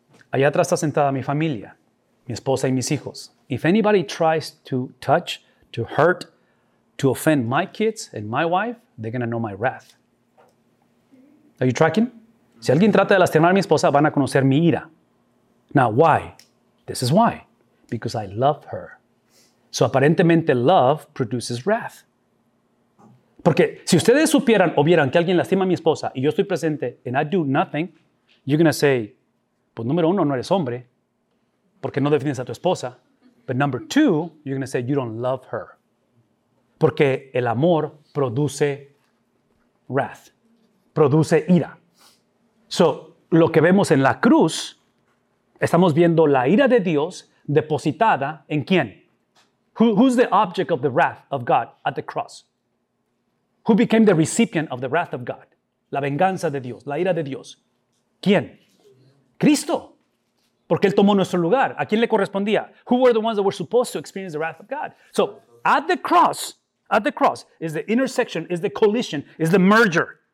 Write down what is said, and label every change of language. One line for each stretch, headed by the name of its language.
Spanish: Allá atrás está sentada mi familia, mi esposa y mis hijos.
English: If anybody tries to touch, to hurt, to offend my kids and my wife, they're going to know my wrath. Are you tracking?
Spanish: Si alguien trata de lastimar a mi esposa, van a conocer mi ira.
English: Now, why? This is why. Because I love her. So, aparentemente, love produces wrath.
Spanish: Porque si ustedes supieran o vieran que alguien lastima a mi esposa y yo estoy presente
English: and I do nothing, you're going to say,
Spanish: pues, número uno, no eres hombre porque no defiendes a tu esposa.
English: But number two, you're going to say, you don't love her.
Spanish: Porque el amor produce wrath, produce ira. So, lo que vemos en la cruz, estamos viendo la ira de Dios depositada en ¿quién?
English: Who's the object of the wrath of God at the cross? Who became the recipient of the wrath of God?
Spanish: La venganza de Dios, la ira de Dios. ¿Quién? Cristo. Porque él tomó nuestro lugar. ¿A quién le correspondía?
English: Who were the ones that were supposed to experience the wrath of God? So, at the cross is the intersection, is the collision, is the merger.